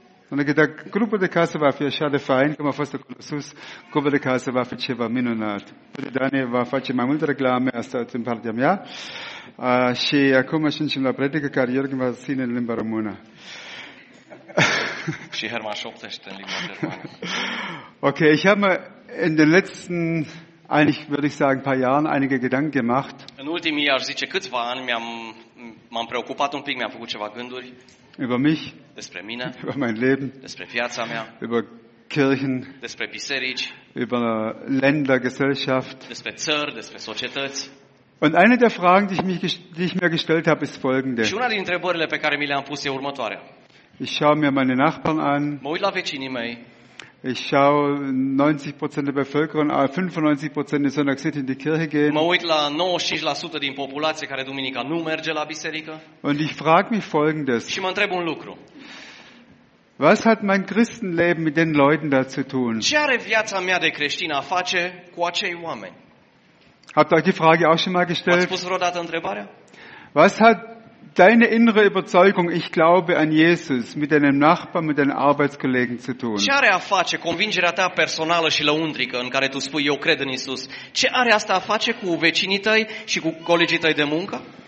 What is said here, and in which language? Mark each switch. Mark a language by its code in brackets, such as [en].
[ro] Adică dacă grupul de casă va fi așa de fain, cum a fost acolo sus, grupul de casă va fi ceva minunat. Daniel va face mai multe reclame, asta în partea mea. Și acum ajungem la predică care Iorgen va ține în limba română. Și Herman șoptește în limba română. [de] Ok, ich habe in den letzten, eigentlich würde ich sagen, paar Jahren einige Gedanken gemacht. [ro] În ultimii, aș zice, câțiva ani m-am preocupat un pic, mi-am făcut ceva gânduri. [de] Über mich, [ro] despre mine, [de] über mein Leben, [ro] despre viața mea, [de] über Kirchen, [ro] despre biserici, [de] über Länder, Gesellschaft, [ro] despre țări, despre societăți. [de] Und eine der Fragen, die ich mir gestellt habe, ist folgende. [ro] Și una dintre întrebările pe care mi le-am pus e următoarea. [de] Ich schaue mir meine Nachbarn an. [ro] Mă uit la vecinii mei. [de] Ich schaue 90% der Bevölkerung, 95% der Sonntag sind in die Kirche gehen. [ro] Mă uit la 95% din populație care duminica nu merge la biserică. [de] Und ich frage mich folgendes. [ro] Și mă întreb un lucru. [de] Was hat mein Christenleben mit den Leuten da zu tun? [ro] Ce are viața mea de creștin a face cu acei oameni? [de] Habt ihr euch die Frage auch schon mal gestellt? [ro] Ați pus vreodată întrebarea? [de] Was hat deine innere Überzeugung, ich glaube an Jesus, mit deinem Nachbarn, mit deinen Arbeitskollegen zu tun? [ro] Ce are a face convingerea ta personală și lăuntrică în care tu spui eu cred în Isus? Ce are asta a face cu vecinii tăi și cu colegii tăi de muncă?